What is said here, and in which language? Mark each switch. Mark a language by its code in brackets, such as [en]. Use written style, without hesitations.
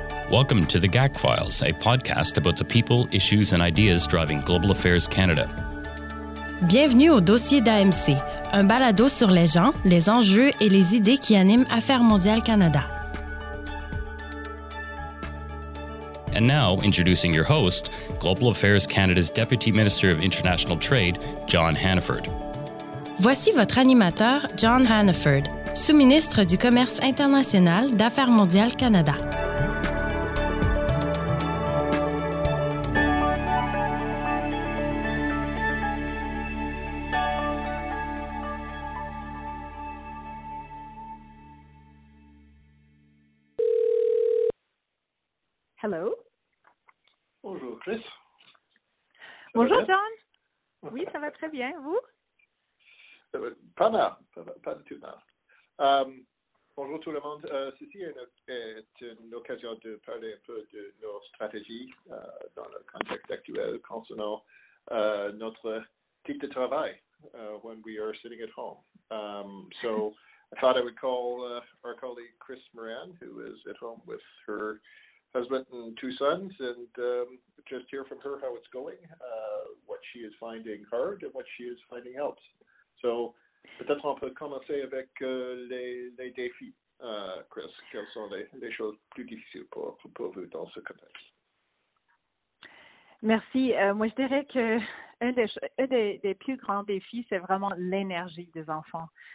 [en] Welcome to The GAC Files, a podcast about the people, issues and ideas driving Global Affairs Canada. [fr] Bienvenue au dossier d'AMC, un balado sur les gens, les enjeux et les idées qui animent Affaires mondiales Canada. [en] And now, introducing your host, Global Affairs Canada's Deputy Minister of International Trade, John Hannaford. [fr] Voici votre animateur, John Hannaford, sous-ministre du Commerce international d'Affaires mondiales Canada. [en] Hello. [fr] Bonjour Chris. Bonjour John. Oui, ça va très bien. Vous? Pas mal. Pas du tout mal. Bonjour tout le monde. Ceci est une occasion de parler un peu de nos stratégies dans le contexte actuel concernant notre type de travail [en] when we are sitting at home. So I thought I would call our colleague Chris Moran, who is at home with her husband and two sons, and just hear from her how it's going, what she is finding hard and what she is finding helps. [fr] So peut-être on peut commencer avec les défis, Chris. Quelles sont les choses plus difficiles pour vous dans ce contexte? Merci. Moi, je dirais que un des plus grands défis, c'est vraiment l'énergie des enfants.